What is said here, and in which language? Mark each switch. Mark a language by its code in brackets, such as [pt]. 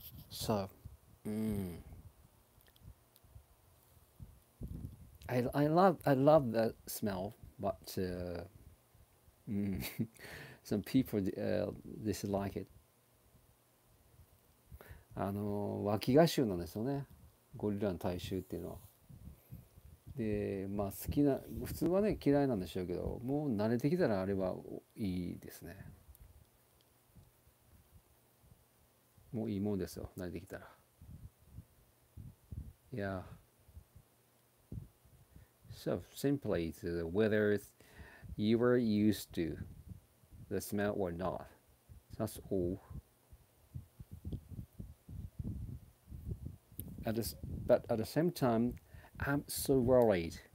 [en] So, I love the smell, but some people dislike it. [ja] 脇が臭なんですよね、ゴリラの体臭っていうのは。で、まあ好きな、普通はね嫌いなんでしょうけど、もう慣れてきたらあれはいいですね。もういいもんですよ、慣れてきたら。いや。 [en] So simply, it's whether you were used to the smell or not. That's all. But at the same time, I'm so worried.